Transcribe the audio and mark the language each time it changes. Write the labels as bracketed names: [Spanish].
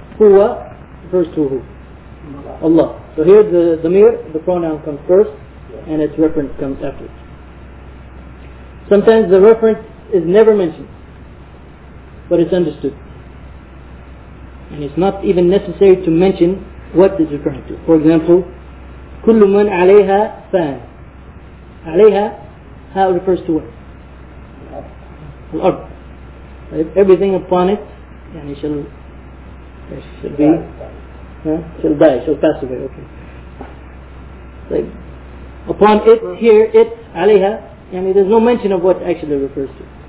[English] هو refers to who? Allah. So here the dhamir, the pronoun comes first, and its reference comes after. Sometimes the reference is never mentioned, but it's understood. And it's not even necessary to mention what it's referring to. For example, [Arabic] كل من عليها فان. [English] عليها, how it refers to what? [Arabic] الأرض. [English] Everything upon it, يعني shall be... Shall die, shall pass away, okay. Like, upon it, here, it, عليها, and there's no mention of what actually refers to.